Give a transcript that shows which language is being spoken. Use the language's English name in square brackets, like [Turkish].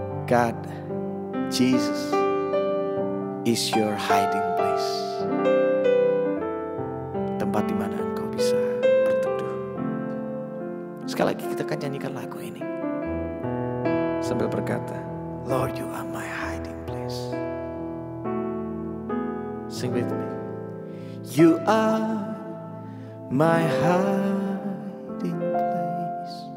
[English] God, Jesus is your hiding place. [Indonesian] Tempat di mana engkau bisa berteduh. Sekali lagi kita akan nyanyikan lagu ini. Sambil berkata, [English] Lord, you are my hiding place. Sing with me. You are my hiding place.